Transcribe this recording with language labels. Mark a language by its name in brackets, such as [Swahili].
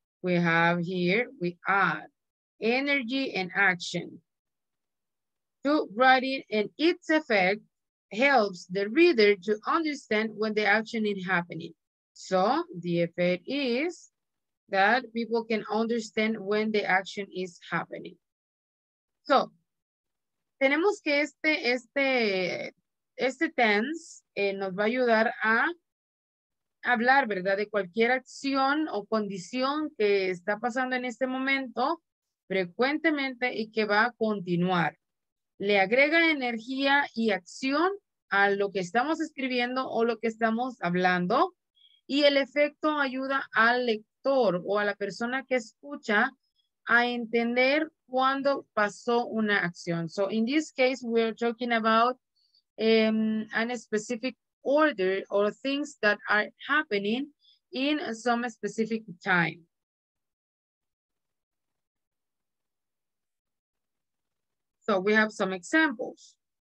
[English] We have here, we add energy and action to writing, and its effect helps the reader to understand when the action is happening. So the effect is that people can understand when the action is happening. [Spanish] So, tenemos que este tense nos va a ayudar a hablar, ¿verdad?, de cualquier acción o condición que está pasando en este momento frecuentemente y que va a continuar. Le agrega energía y acción a lo que estamos escribiendo o lo que estamos hablando, y el efecto ayuda al lector o a la persona que escucha a entender cuando pasó una acción. [English] So in this case, we are talking about an specific order or things that are happening in some specific time. So we have some examples.